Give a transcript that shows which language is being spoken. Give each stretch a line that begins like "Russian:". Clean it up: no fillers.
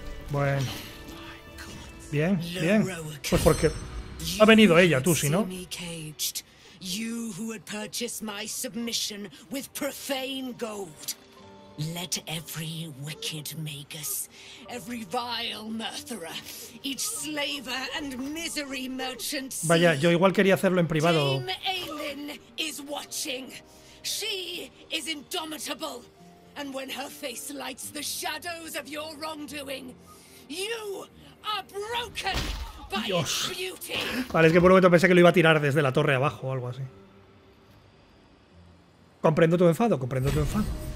Spanish: Bueno. Bien, bien. Pues porque ha venido ella, tú, si no.
English: You who had purchased my submission with profane gold. Let every wicked magus, every vile murtherer, each slaver and misery merchant.
Spanish: Vaya, yo igual quería hacerlo en privado.
English: Aelin is watching. She is indomitable. And when her face lights the shadows of your wrongdoing, you are broken.
Spanish: Dios. Vale, es que por un momento pensé que lo iba a tirar desde la torre abajo o algo así. Comprendo tu enfado, comprendo tu enfado.